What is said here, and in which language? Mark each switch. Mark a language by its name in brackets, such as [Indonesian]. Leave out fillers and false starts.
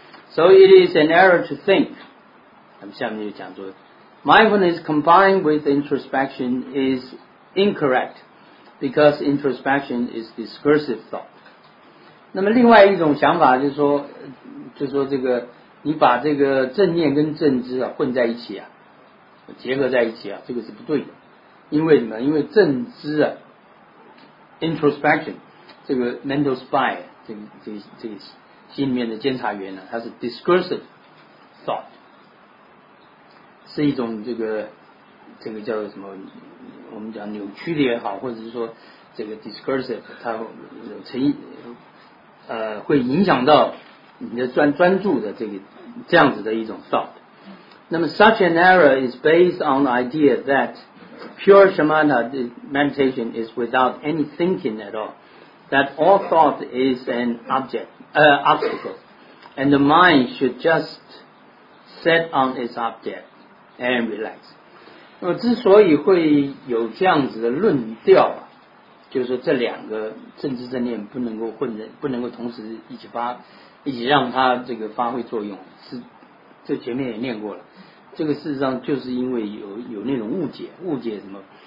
[English] So it is an error to think, [Chinese] 那么下面就讲说 [English] mindfulness combined with introspection is incorrect because introspection is discursive thought. [Chinese] 那么另外一种想法就是说这个你把这个正念跟正知啊混在一起啊，结合在一起啊，这个是不对的。因为什么？因为正知啊 ，introspection， 这个 [English] mental spy， [Chinese] 这个心里面的监察员呢、啊，它是 [English] discursive thought， [Chinese] 是一种这个叫做什么？我们讲扭曲的也好，或者是说这个 discursive， 它会影响到你的专注的这个这样子的一种 thought。 [English] 那么 such an error is based on the idea that pure shamatha meditation is without any thinking at all. that all thought is an obstacle, and the mind should just set on its object and relax. [Chinese] 那么之所以会有这样子的论调、啊、就是说这两个政治正念不能够混在，不能够同时一起发，一起让它这个发挥作用，是这前面也念过了。这个事实上就是因为有那种误解，误解什么？